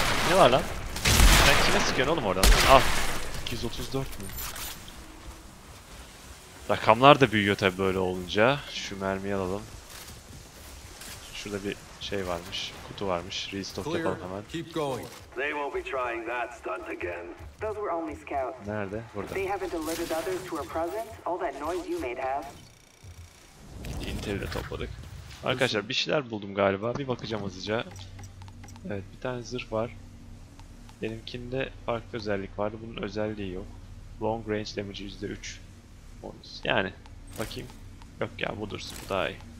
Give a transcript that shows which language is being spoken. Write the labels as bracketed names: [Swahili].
[Turkish] Ne var lan? Sen kime sıkıyorsun oğlum oradan? Al. 234 mü? Rakamlar da büyüyor tabii böyle olunca. Şu mermiyi alalım. Şurada bir şey varmış, kutu varmış. Restock yapalım hemen. [English] Keep going. They won't be trying that stunt again. Those were only scouts. [Turkish] Nerede? Burada. [English] They haven't alerted others to our presence. All that noise you made have. [Turkish] Intel'i de topladık. Arkadaşlar bir şeyler buldum galiba. Bir bakacağım hızlıca. Evet, bir tane zırh var. Benimkinde farklı özellik vardı. Bunun özelliği yok. Long range damage %3. Bonus. Yani bakayım. Yok ya, bu dursun. Bu daha iyi.